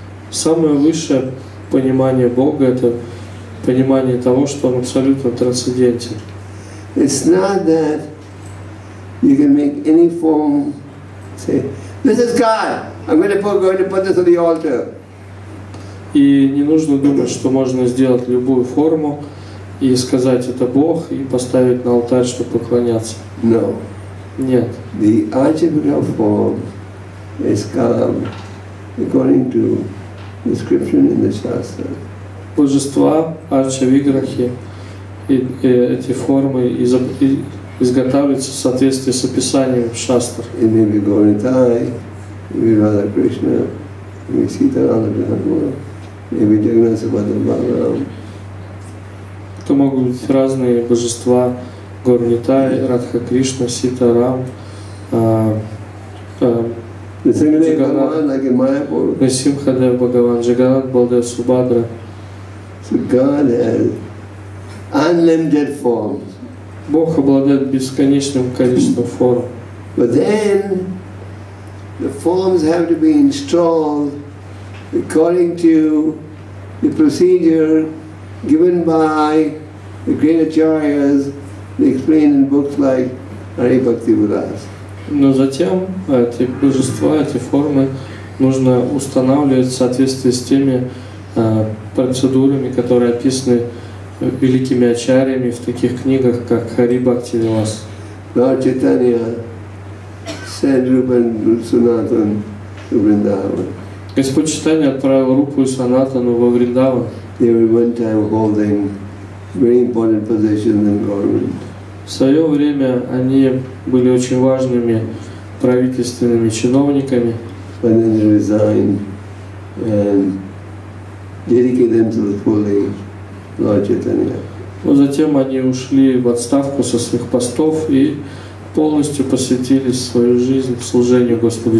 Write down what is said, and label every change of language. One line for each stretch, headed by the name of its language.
Russian: Самое высшее понимание Бога – это понимание того, что Он абсолютно трансцендентен.
English: It's not that you can make any form say, this is God. I'm going to put this on the altar.
Russian: И не нужно думать, что можно сделать любую форму и сказать это Бог и поставить на алтарь, чтобы поклоняться.
English: No.
Russian: Нет.
English: The archetypal form is come according to description in the Shastra.
Russian: Божества, арчавиграхи, эти формы изготавливаются в соответствии с описанием Шастр.
English: It may be Govindai, maybe Radha Krishna, maybe Sita Radha Bhagavan, maybe Jagannath Subhadra Bhagavan.
Russian: Это могут быть разные божества. Горнитай, Радха Кришна, Сита Рам, Насимхадев Бхагаван, Джаганат Балдев Субхадра.
English: So God has unlimited forms.
Russian: Бог обладает бесконечным количеством форм.
English: But then the forms have to be installed according to the procedure given by the great acharyas, explained in books like Hari Bhakti Vilas.
Russian: Но затем эти божества, эти формы нужно устанавливать в соответствии с теми процедурами, которые описаны великими ачарьями в таких книгах, как Хари Бхакти Вилас.
English: Lord Chaitanya sent Rupa and Sanatan to Vrindavan.
Russian: Господь Чайтанья отправил Рупу и Санатану во Вриндаван.
English: They were one time holding very important positions in government.
Russian: В свое время они были очень важными правительственными чиновниками.
English: And then they resigned and dedicated themselves fully to Lord Chaitanya.
Russian: Но затем они ушли в отставку со своих постов и полностью посвятили свою жизнь служению Господу